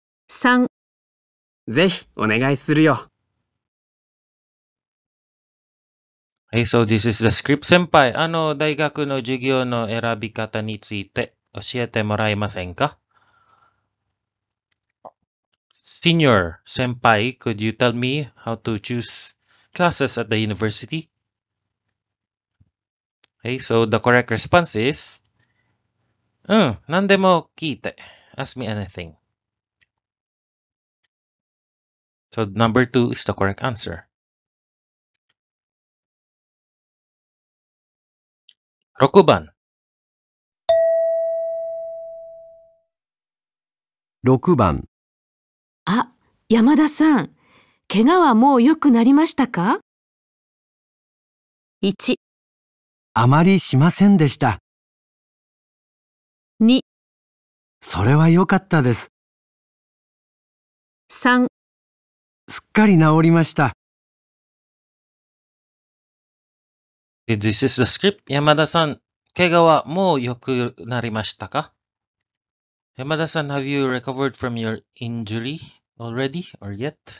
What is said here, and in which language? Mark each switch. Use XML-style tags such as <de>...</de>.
<ja>3。ぜひお願いするよ。</ja> <en>Hey, so this is the script.</en> <ja>先輩、大学の授業の選び方について教えてもらえませんか？</ja> <en>Senior, 先輩、could you tell me how to choose classes at the university? Hey, so the correct response is,</en> <ja>何でも聞いて。</ja> <en>Ask me anything. So number 2 is the correct answer.</en> <ja>6番。 6番。あ、山田さん、怪我はもう良くなりましたか？ 1。あまりしませんでした。 2。それは良かったです。 3。すっかり治りました。</ja> <en>This is the script. 山田さん。</en> <ja>怪我はもう良くなりましたか？</ja> <en>山田さん、have you recovered from your injury already or yet?</en>